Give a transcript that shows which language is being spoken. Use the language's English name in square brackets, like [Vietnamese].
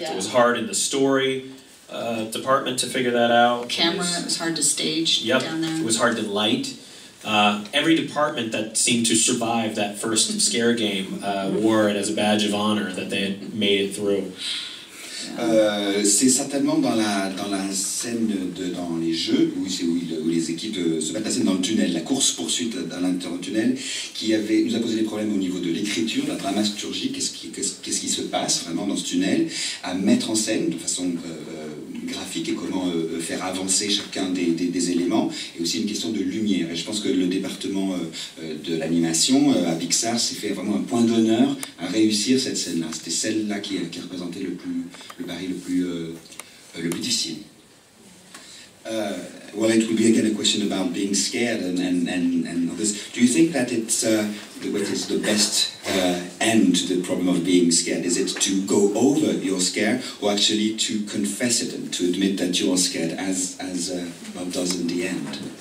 [English] Yeah. It was hard in the story department to figure that out. It was hard to stage down there. It was hard to light. Every department that seemed to survive that first scare game wore it as a badge of honor that they had made it through. [French] C'est certainement dans la scène dans les jeux où les équipes se battent, la scène dans le tunnel, la course poursuite dans l'intérieur du tunnel, qui nous a posé des problèmes au niveau de l'écriture, la dramaturgie, qu'est-ce qui se passe vraiment dans ce tunnel, à mettre en scène de façon graphique et comment faire avancer chacun des éléments, et aussi une question de lumière. Et je pense que le département de l'animation à Pixar s'est fait vraiment un point d'honneur à réussir cette scène-là. C'était celle-là qui représentait le pari le plus difficile. [English] Well, it would be again a question about being scared and others. Do you think that it's the best end to the problem of being scared? Is it to go over your scare or actually to confess it and to admit that you're scared as does in the end?